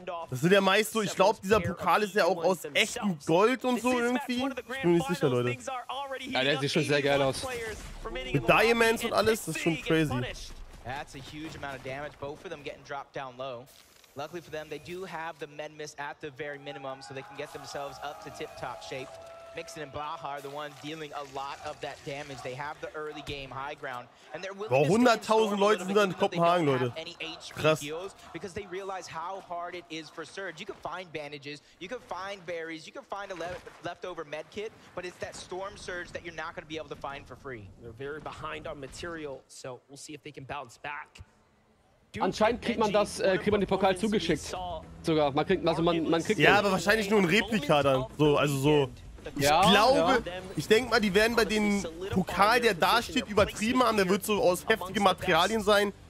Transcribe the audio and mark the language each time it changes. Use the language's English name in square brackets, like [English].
[German] Das sind ja meist so, ich glaube, dieser Pokal ist ja auch aus echtem Gold und so irgendwie. Ich bin mir nicht sicher, Leute. Ja, der sieht schon sehr geil aus. Mit Diamonds und alles, das ist schon crazy. [English] That's a huge amount of damage, both of them getting dropped down low. Luckily for them, they do have the Menmis at the very minimum, so they can get themselves up to tip-top shape. Mixon and Blaha are the ones dealing a lot of that damage. They have the early game high ground, and they're willing to [German] score. 100.000 Leute sind in Kopenhagen, Leute. Krass. [English] Because they realize how hard it is for Surge. You can find bandages, you can find berries, you can find a leftover med kit, but it's that storm surge that you're not going to be able to find for free. They're very behind on material, so we'll see if they can bounce back. [German] Anscheinend kriegt man das, kriegt man den Pokal zugeschickt. Sogar, man kriegt, also man kriegt. Ja, aber wahrscheinlich nur ein Replika dann. So, also so. Ich glaube, ich denke mal, die werden bei dem Pokal, der da steht, übertrieben haben. Der wird so aus heftigen Materialien sein.